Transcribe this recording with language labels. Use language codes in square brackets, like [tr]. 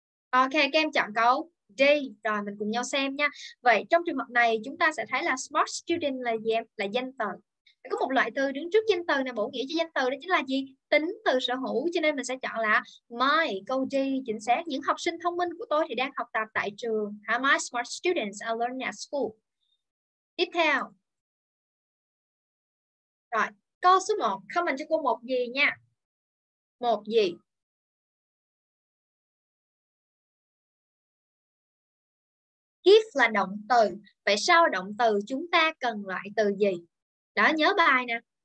[vi] Ok, các em chọn câu D. Rồi mình cùng nhau xem nha. Vậy trong trường hợp này chúng ta sẽ thấy là smart student là gì em? Là danh từ. Có một loại từ đứng trước danh từ này bổ nghĩa cho danh từ, đó chính là gì? Tính từ sở hữu, cho nên mình sẽ chọn là my, câu D chính xác. Những học sinh thông minh của tôi thì đang học tập tại trường. [en] My smart students are learning at school. [vi] Tiếp theo. Rồi, câu số 1, comment cho cô một gì nha. Một gì? Give là động từ. Vậy sau động từ chúng ta cần loại từ gì? Đó, nhớ bài nè.